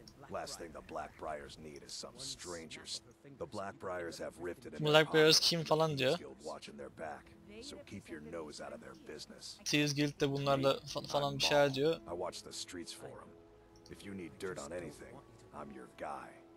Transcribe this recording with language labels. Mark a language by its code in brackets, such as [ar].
[en] Last thing the Blackbriars need is some strangers. The Blackbriars have Riften in their pocket. Blackbriars [tr] kim falan diyor. [en] So keep your nose out of their business. [tr] Thieves Guild de bunlarla falan bir şeyler diyor. [en] I watch the streets for 'em. If you need dirt on anything, I'm your guy.